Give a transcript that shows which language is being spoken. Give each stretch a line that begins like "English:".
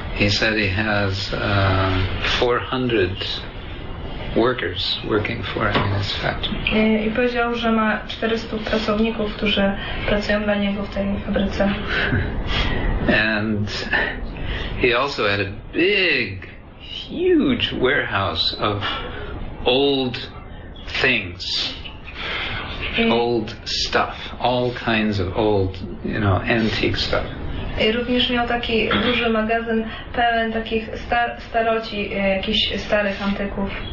English: He said he has 400 workers working for him in his factory.
Polish: I powiedział, że ma 400 pracowników, którzy pracują dla niego w tej fabryce.
English: And he also had a big, huge warehouse of old things. Old stuff, all kinds of old, you know, antique stuff.
Polish: I również miał taki duży magazyn pełen takich staroci, jakichś starych antyków.